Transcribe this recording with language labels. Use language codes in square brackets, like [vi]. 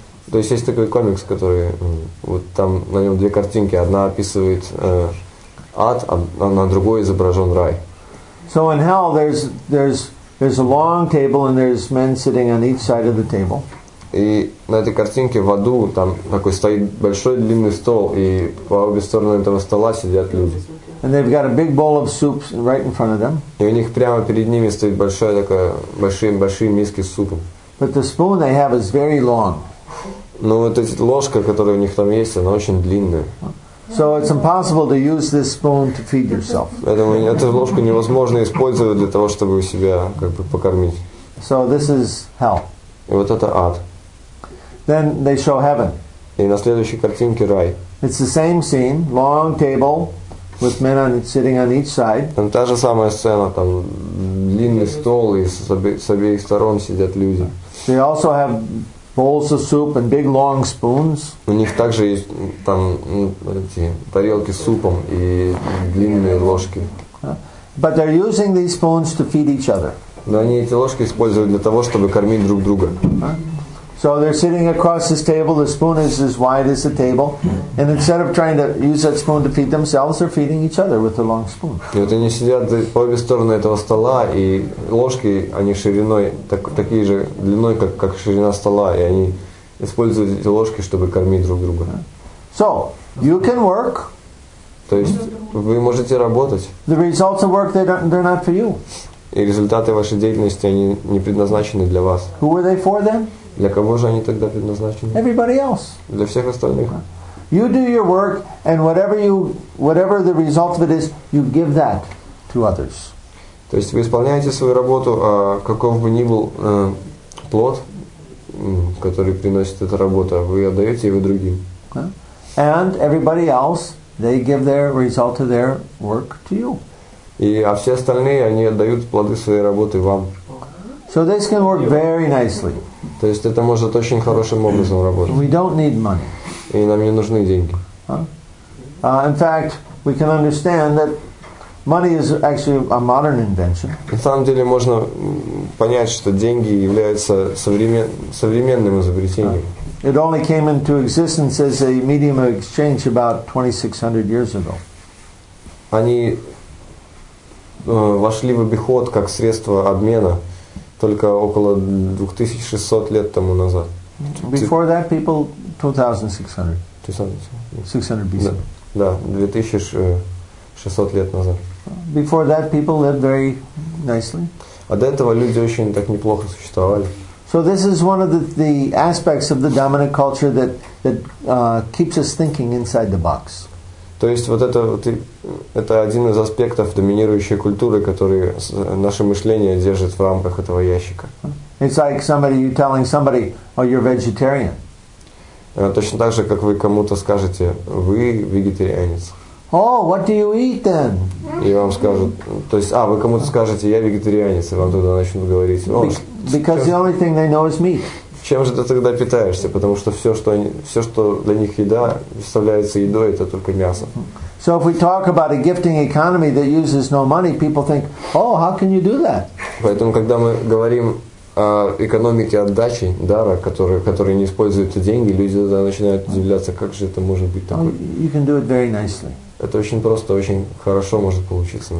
[ru] То есть есть такой комикс, который вот там на нем две картинки. Одна описывает ад, а на другой изображен рай. [en] So in hell there's a long table and there's men sitting on each side of the table. [ru] И на этой картинке в аду там такой стоит большой длинный стол, и по обе стороны этого стола сидят люди. [en] And they've got a big bowl of soup right in front of them. [ru] И у них прямо перед ними стоит большая такая большие миски с супом. [en] But the spoon they have is very long. [ru] Но вот эта ложка, которая у них там есть, она очень длинная. [en] So it's impossible to use this spoon to feed yourself. [ru] Поэтому эту ложку невозможно использовать для того, чтобы себя как бы покормить. [en] So this is hell. [ru] И вот это ад. [en] Then they show heaven. [ru] И на следующей картинке рай. [en] It's the same scene, long table with men on it, sitting on each side. [ru] Там та же самая сцена, там длинный стол и с обеих сторон сидят люди. [en] They also have bowls of soup and big long spoons. [ru] У них также есть там эти тарелки с супом и длинные ложки. [en] But they're using these spoons to feed each other. [ru] Но они эти ложки используют для того, чтобы кормить друг друга. [en] So they're sitting across this table, the spoon is as wide as the table, and instead of trying to use that spoon to feed themselves, they're feeding each other with a long spoon. [ru] И вот они сидят по обе стороны этого стола, и ложки, они шириной, такие же длиной, как ширина стола, и они используют эти ложки, чтобы кормить друг друга. [en] So, you can work. [ru] То есть, вы можете работать. [en] The results of work, they're not for you. [ru] И результаты вашей деятельности, они не предназначены для вас. [en] Who are they for then? [ru] Для кого же они тогда предназначены? [en] Everybody else. [ru] Для всех остальных. [en] You do your work, and whatever the result of it is, you give that to others. [ru] То есть вы исполняете свою работу, а каков бы ни был плод, который приносит эта работа, вы отдаете его другим. [en] And everybody else, they give their result of their work to you. [ru] И а все остальные, они отдают плоды своей работы вам. [en] So this can work very nicely. [ru] То есть это может очень хорошим образом работать. [en] We don't need money. [ru] И нам не нужны деньги. [en] In fact, we can understand that money is actually a modern invention. [ru] На самом деле можно понять, что деньги являются современным изобретением. [en] It only came into existence as a medium of exchange about 2600 years ago. [ru] Они вошли в обиход как средство обмена только около 2600 лет тому назад. [en] Before that people 2600. [ru] 2600 BC. Да, 2600 лет назад. [en] Before that people lived very nicely. [ru] А до этого люди очень так неплохо существовали. [en] So this is one of the aspects of the dominant culture that keeps us thinking inside the box. [ru] То есть вот это один из аспектов доминирующей культуры, который наше мышление держит в рамках этого ящика. [en] It's like somebody you telling somebody, oh, you're vegetarian. [ru] Точно так же, как вы кому-то скажете, вы вегетарианец. [en] Oh, what do you eat then? [ru] И вам скажут, то есть, вы кому-то скажете, я вегетарианец, и вам тогда начнут говорить, [en] Because the only thing they know is meat. [ru] Чем же ты тогда питаешься? Потому что все, что для них еда, представляется едой, это только мясо. [en] So if we talk about a gifting economy that uses no money, people think, oh, how can you do that? [ru] Поэтому, когда мы говорим о экономике отдачи, дара, который не использует деньги, люди тогда начинают удивляться, как же это может быть такое. [en] You can do it very nicely. [ru] Это очень просто, очень хорошо может получиться.